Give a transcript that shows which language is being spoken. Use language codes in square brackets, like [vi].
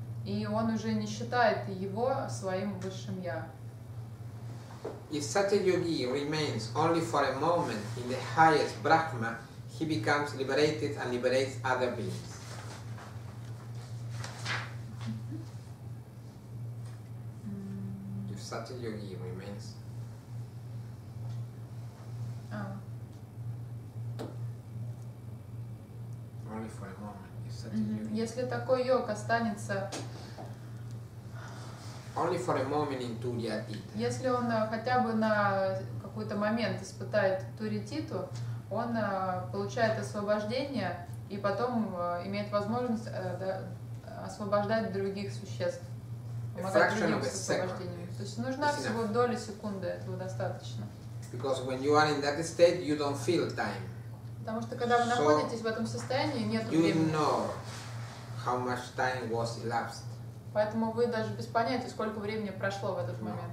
[ru] И он уже не считает его своим высшим Я. [en] If such a yogi remains only for a moment in the highest Brahma, he becomes liberated and liberates other beings. Such a yogi remains. Only for a moment. If such a yogi. [ru] Если такой йог останется. [en] Only for a moment in Turiyatita. [ru] Если он хотя бы на какой-то момент испытает Turiyatita, он получает освобождение и потом имеет возможность освобождать других существ. То есть нужна всего доля секунды, этого достаточно. [en] Because when you are in that state, you don't feel time. [ru] Потому что когда вы находитесь в этом состоянии, нет времени. [en] You know how much time was elapsed. [ru] Поэтому вы даже без понятия, сколько времени прошло в этот момент.